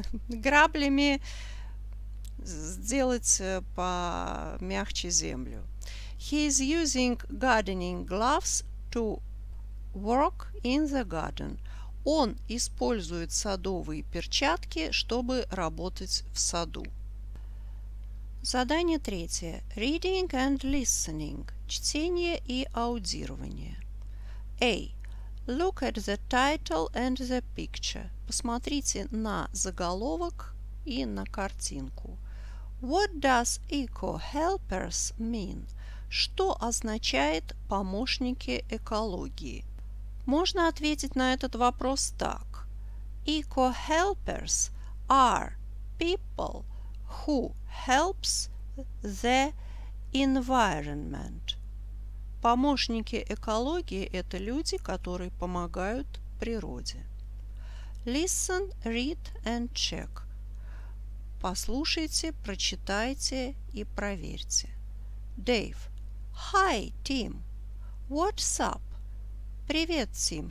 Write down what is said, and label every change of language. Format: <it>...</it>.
<ru>Граблями сделать помягче землю.</ru> <en>He is using gardening gloves to work in the garden.</en> <ru>Он использует садовые перчатки, чтобы работать в саду. Задание третье.</ru> <en>Reading and listening.</en> <ru>Чтение и аудирование. A.</ru> <en>Look at the title and the picture.</en> <ru>Посмотрите на заголовок и на картинку.</ru> <en>What does eco-helpers mean?</en> <ru>Что означает помощники экологии? Можно ответить на этот вопрос так.</ru> <en>Eco-helpers are people who helps the environment.</en> <ru>Помощники экологии – это люди, которые помогают природе.</ru> <en>Listen, read and check.</en> <ru>Послушайте, прочитайте и проверьте.</ru> <en>Dave. Hi, Tim. What's up?</en> <ru>Привет, Тим.</ru>